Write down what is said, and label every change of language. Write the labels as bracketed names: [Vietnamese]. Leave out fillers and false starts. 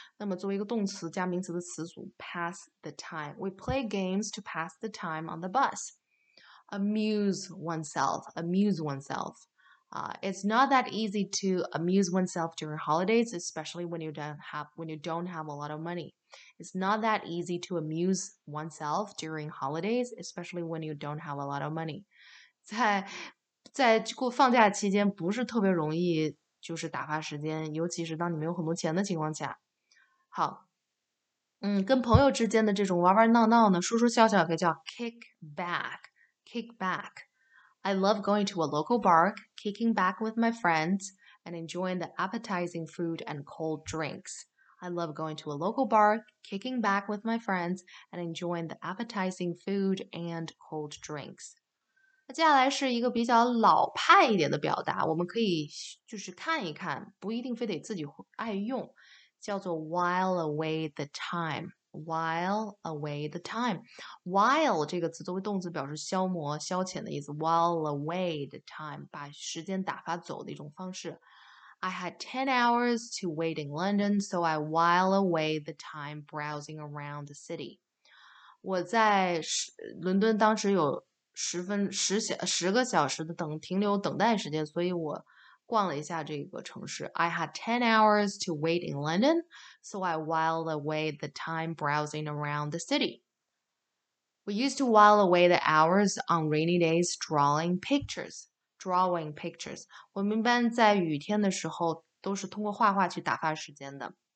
[Chinese] 那么作为一个动词加名词的词组，pass the time， [English] we play games to pass the time on the bus， [Chinese] amuse oneself，amuse oneself。 [English] It's not that easy to amuse oneself during holidays, especially when you don't have a lot of money. It's not that easy to amuse oneself during holidays, especially when you don't have a lot of money. [Chinese] 在过放假期间不是特别容易，就是打发时间，尤其是当你没有很多钱的情况下。好，跟朋友之间的这种玩玩闹闹呢，说说笑笑，可以叫 kick back。 [English] I love going to a local bar, kicking back with my friends, and enjoying the appetizing food and cold drinks. I love going to a local bar, kicking back with my friends, and enjoying the appetizing food and cold drinks. [Chinese] 那接下来是一个比较老派一点的表达，我们可以就是看一看，不一定非得自己爱用，叫做 while away the time。 While away the time, while 这个词作为动词表示消磨、消遣的意思。 While away the time，把时间打发走的一种方式。 [English] I had 10 hours to wait in London, so I while away the time browsing around the city. [Chinese] 我在伦敦当时有10个小时的停留等待时间，所以我逛了一下这个城市。 [English] I had 10 hours to wait in London, so I whiled away the time browsing around the city. We used to while away the hours on rainy days drawing pictures. [Chinese] Drawing pictures，我们一般在雨天的时候都是通过画画去打发时间的。